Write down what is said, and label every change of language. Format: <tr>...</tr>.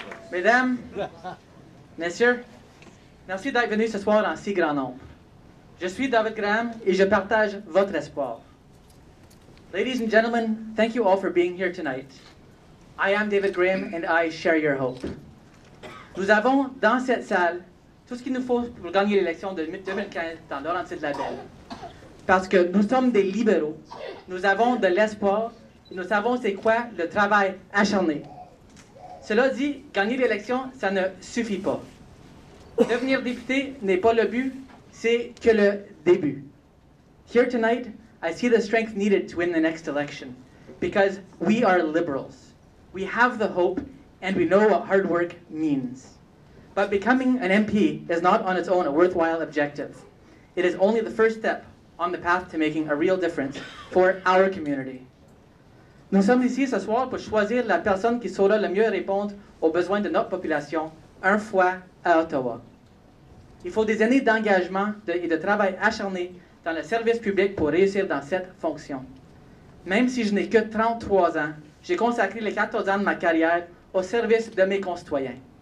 <fr>Mesdames, messieurs, merci d'être venus ce soir en si grand nombre. Je suis David Graham et je partage votre espoir.</fr> <en>Ladies and gentlemen, thank you all for being here tonight. I am David Graham and I share your hope.</en> <fr>Nous avons dans cette salle tout ce qu'il nous faut pour gagner l'élection de 2015 dans Laurentides-la-Belle. Parce que nous sommes des libéraux, nous avons de l'espoir et nous savons c'est quoi le travail acharné. Cela dit, gagner l'élection, ça ne suffit pas. Devenir député n'est pas le but, c'est que le début.</fr> <en>Here tonight, I see the strength needed to win the next election, because we are liberals. We have the hope, and we know what hard work means. But becoming an MP is not on its own a worthwhile objective. It is only the first step on the path to making a real difference for our community.</en> <fr>Nous sommes ici ce soir pour choisir la personne qui saura le mieux répondre aux besoins de notre population, une fois à Ottawa. Il faut des années d'engagement et de travail acharné dans le service public pour réussir dans cette fonction. Même si je n'ai que 33 ans, j'ai consacré les 14 ans de ma carrière au service de mes concitoyens.</fr>